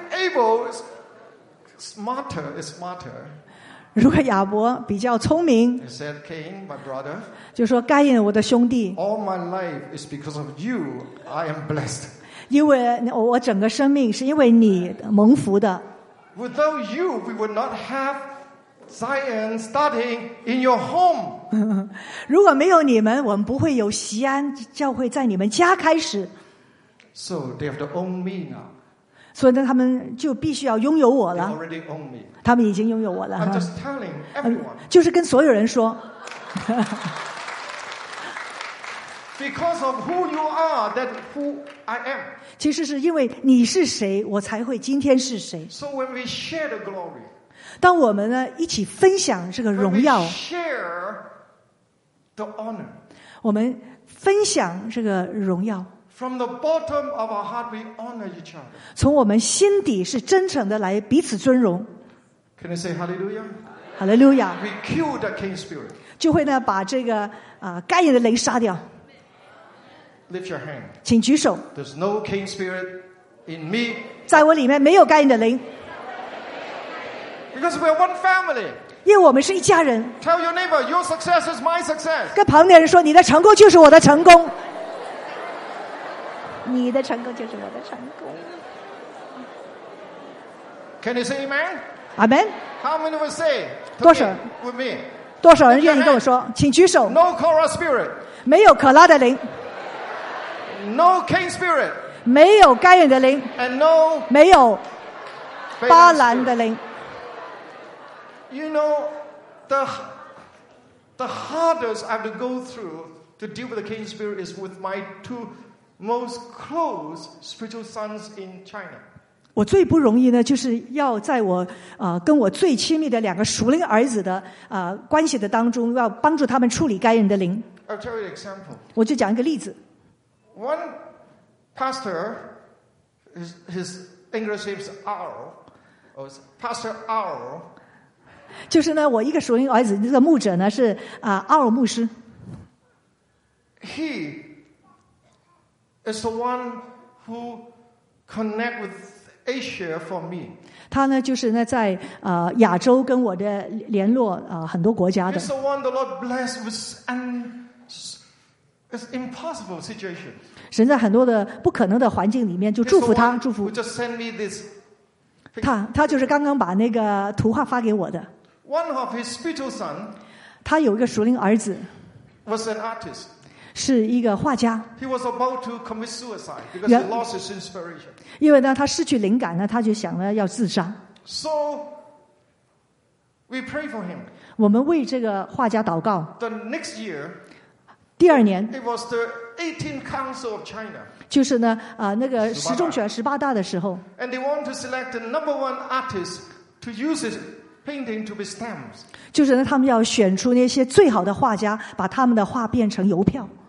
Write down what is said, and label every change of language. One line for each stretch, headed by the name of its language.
English: If Abel is smarter, is smarter.
Chinese: 如果亚伯比较聪明，
English: he said, "Cain, my brother."
Chinese: 就说该隐，我的兄弟。
English: All my life is because of you. I am blessed.
Chinese: 因为我整个生命是因为你蒙福的。
English: Without you, we would not have Zion starting in your home.
Chinese: 如果没有你们，我们不会有锡安教会在你们家开始。
English: So they have to own me now.
Chinese: 所以呢，他们就必须要拥有我了。
English: They already own me.
Chinese: 他们已经拥有我了。
English: I'm just telling everyone.
Chinese: 就是跟所有人说。
English: Because of who you are, that who I am.
Chinese: 其实是因为你是谁，我才会今天是谁。
English: So when we share the glory,
Chinese: 当我们呢一起分享这个荣耀
English: ，when we share the honor,
Chinese: 我们分享这个荣耀。
English: From the bottom of our heart, we honor each other.
Chinese: 从我们心底是真诚的来彼此尊荣。
English: Can you say Hallelujah? Hallelujah. We kill the Cain spirit.
Chinese: 就会呢把这个啊该隐的灵杀掉。
English: Lift your hand.
Chinese: 请举手。
English: There's no Cain spirit in me.
Chinese: 在我里面没有该隐的灵。
English: Because we're one family.
Chinese: 因为我们是一家人。
English: Tell your neighbor, your success is my success.
Chinese: 跟旁边人说，你的成功就是我的成功。你的成功就是我的成功。
English: Can you say Amen? Amen. How many will say?
Chinese: 多少
English: with me?
Chinese: 多少人愿意跟我说？请举手。
English: No Korah spirit.
Chinese: 没有可拉的灵。
English: No Cain spirit.
Chinese: 没有该隐的灵。
English: And no
Chinese: 没有巴兰的灵。
English: You know the hardest I have to go through to deal with the Cain spirit is with my two. Most close spiritual sons in China.
Chinese: 我最不容易呢，就是要在我跟我最亲密的两个属灵儿子的关系的当中，要帮助他们处理该隐的灵。
English: I'll tell you an example.
Chinese: 我就讲一个例子。
English: One pastor, his English name is R, or Pastor R.
Chinese: 就是呢，我一个属灵儿子，这个牧者呢是R牧师。
English: He. Is the one who connect with Asia for me.
Chinese: 他呢，就是呢，在亚洲跟我的联络很多国家的。
English: He's the one the Lord blessed with an impossible situation.
Chinese: 神在很多的不可能的环境里面就祝福他，祝福。
English: He just sent me this.
Chinese: 他就是刚刚把那个图画发给我的。
English: One of his spiritual son.
Chinese: 他有一个属灵儿子。
English: Was an artist.
Chinese: 是一个画家。
English: He was about to commit suicide because he lost his inspiration.
Chinese: 因为呢，他失去灵感呢，他就想了要自杀。
English: So we pray for him.
Chinese: 我们为这个画家祷告。
English: The next year,
Chinese: 第二年
English: ，it was the 18th Council of China.
Chinese: 就是呢，那个十中全十八大的时候。
English: And they want to select the number one artist to use his painting to be stamped.
Chinese: 就是他们要选出那些最好的画家，把他们的画变成邮票。